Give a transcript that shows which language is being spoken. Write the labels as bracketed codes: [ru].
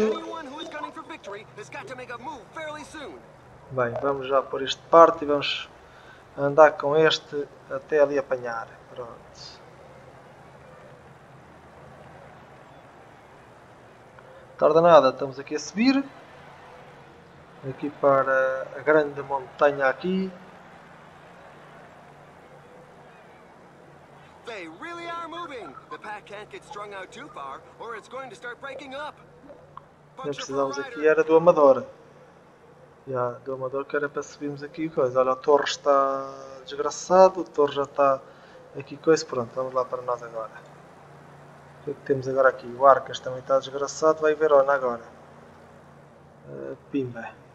[en] and anyone who is gunning for victory has got to make a move fairly soon. [pt] Bem, vamos já pôr este de parte e vamos andar com este até ali apanhar. Pronto. Tarda nada, estamos aqui a subir. Aqui para a grande montanha aqui. [en] They really are moving. The pack can't get strung out too far, or it's going to start breaking up. [pt] Nem [en] Puncture for a [pt] precisávamos aqui, [en] rider. [pt] era do Amador. Já, do Amador que era para subirmos aqui. Coisa. Olha, o Torres está desgraçado, o Torres já está aqui. Coisa. Pronto, vamos lá para nós agora. O que é que temos agora aqui? O Arcas também está desgraçado, vai Verona agora. Pimba.